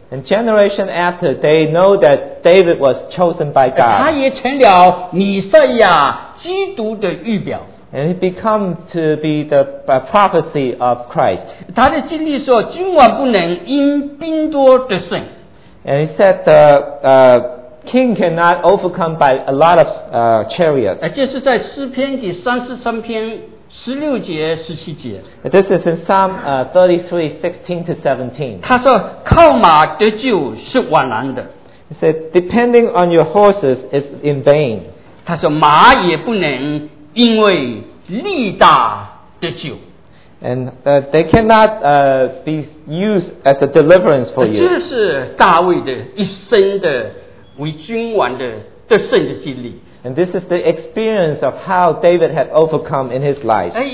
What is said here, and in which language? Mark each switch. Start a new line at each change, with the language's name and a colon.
English: and generation after, they know that David was chosen by God.
Chinese: 他也成了弥赛亚基督的预表,
English: and he became to be the prophecy of Christ.
Chinese: 他的经历说, 君王不能因兵多得胜,
English: and he said the king cannot overcome by a lot of chariots.
Chinese: 这是在诗篇第33篇,
English: this is in Psalm 33:16-17. He said, depending on your horses is in vain.
Chinese: 他说马也不能因为力大得救,
English: and they cannot be used as a deliverance for you.
Chinese: 这是大卫的一生的为君王的胜的经历,
English: and this is the experience of how David had overcome in his life.